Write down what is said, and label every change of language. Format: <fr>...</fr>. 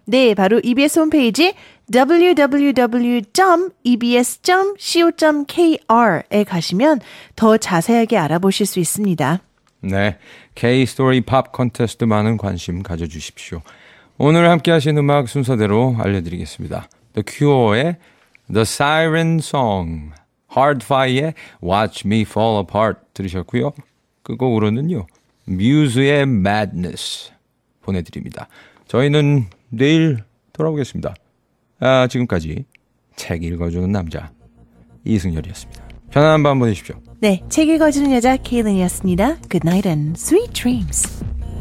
<ko>네, 바로 EBS 홈페이지 www.ebs.co.kr에 가시면 더 자세하게 알아보실 수 있습니다. 네, K-Story Pop Contest 많은 관심 가져주십시오. 오늘 함께하신 음악 순서대로 알려드리겠습니다. The Cure의 The Siren Song, Hardfire의 Watch Me Fall Apart 들으셨고요. 그 곡으로는요, Muse의 Madness 보내드립니다. 저희는 내일 돌아오겠습니다. 아, 지금까지 책 읽어주는 남자 이승열이었습니다. 편안한 밤 보내십시오. 네, 책 읽어주는 여자 케일린이었습니다.</ko> <en>Good night and sweet dreams.</en>